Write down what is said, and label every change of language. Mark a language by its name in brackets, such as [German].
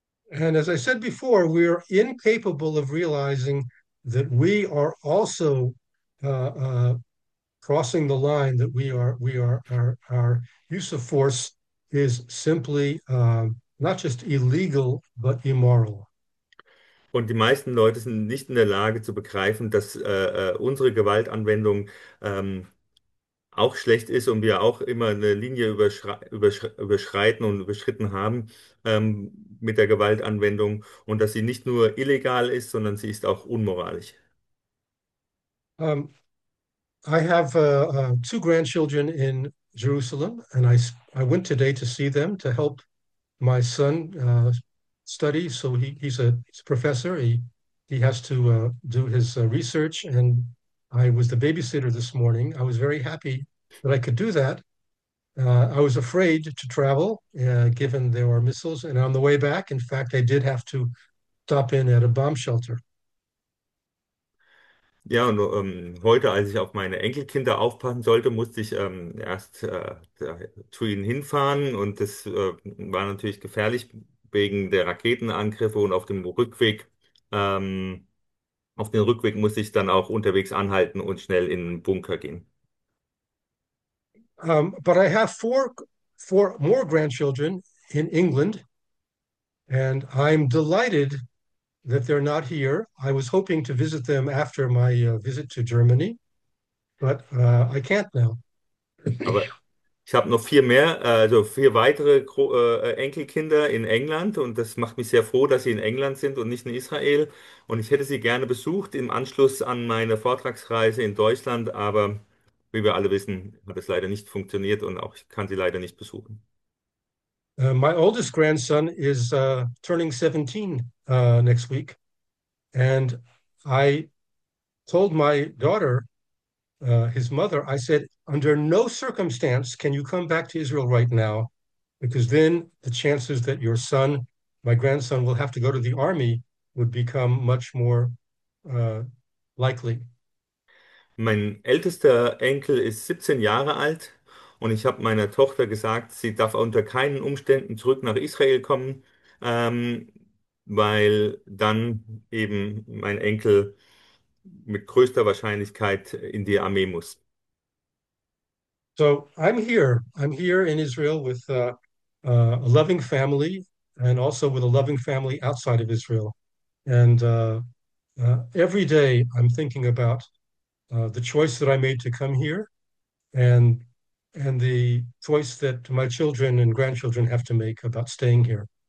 [English] And as I said before, we are incapable of realizing that we are also crossing the line, that our use of force is simply not just illegal, but immoral. [German] Und die meisten Leute sind nicht in der Lage zu begreifen, dass unsere Gewaltanwendung auch schlecht ist und wir auch immer eine Linie überschreiten und überschritten haben mit der Gewaltanwendung und dass sie nicht nur illegal ist, sondern sie ist auch unmoralisch. [English] I have two grandchildren in Jerusalem, and I went today to see them to help my son study, so he's a professor. He has to do his research, and I was the babysitter this morning. I was very happy that I could do that. I was afraid to travel, given there were missiles. And on the way back, in fact, I did have to stop in at a bomb shelter. [German] Ja, und heute, als ich auf meine Enkelkinder aufpassen sollte, musste ich erst zu ihnen hinfahren. Und das war natürlich gefährlich wegen der Raketenangriffe. Und auf den Rückweg musste ich dann auch unterwegs anhalten und schnell in den Bunker gehen. [English] But I have four more grandchildren in England, and I'm delighted that they're not here. I was hoping to visit them after my visit to Germany, but I can't now. [German] Aber ich habe noch vier mehr, also vier weitere Enkelkinder in England, und das macht mich sehr froh, dass sie in England sind und nicht in Israel. Und ich hätte sie gerne besucht im Anschluss an meine Vortragsreise in Deutschland, aber wie wir alle wissen, hat es leider nicht funktioniert und auch ich kann sie leider nicht besuchen. [English] My oldest grandson is turning 17 next week. And I told my daughter, his mother, I said, under no circumstance can you come back to Israel right now, because then the chances that your son, my grandson, will have to go to the army would become much more likely. [German] Mein ältester Enkel ist 17 Jahre alt und ich habe meiner Tochter gesagt, sie darf unter keinen Umständen zurück nach Israel kommen, weil dann eben mein Enkel mit größter Wahrscheinlichkeit in die Armee muss. [English] So I'm here in Israel with a loving family, and also with a loving family outside of Israel. And every day I'm thinking about the choice that I made to come here, and the choice that my children and grandchildren have to make about staying here.